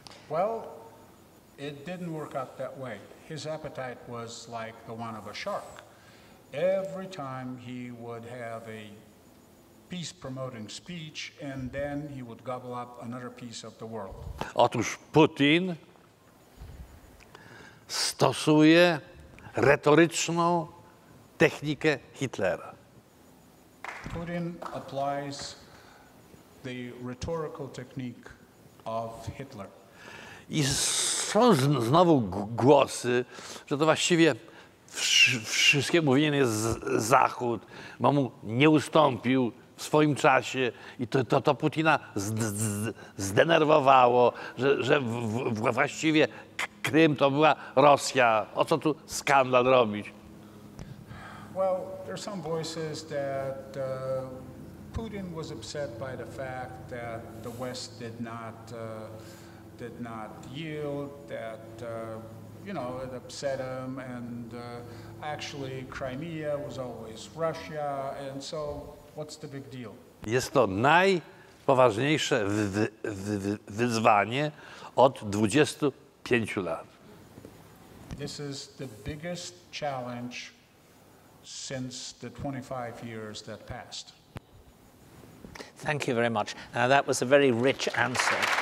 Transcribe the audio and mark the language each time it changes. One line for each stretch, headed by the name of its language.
English: Well, it didn't work out that way. His appetite was like the one of a shark. Every time he would have a peace promoting speech and then he would gobble up another piece of the world.
Polish: Otóż Putin stosuje retoryczną technikę Hitlera.
English: Putin applies the rhetorical technique of Hitler.
Polish: I są znowu głosy, że to właściwie wszystkiemu winien jest Zachód, bo mu nie ustąpił w swoim czasie i to Putina zdenerwowało, że właściwie Krym to była Rosja. O co tu skandal robić?
English: Well, there are some voices that Putin was upset by the fact that the West did not yield, that you know, it upset him, and actually Crimea was always Russia, and so what's the big deal?
Polish: Jest to najpoważniejsze wyzwanie od 25 lat.
English: This is the biggest challenge since the 25 years that passed. Thank you very much. Now that was a very rich answer.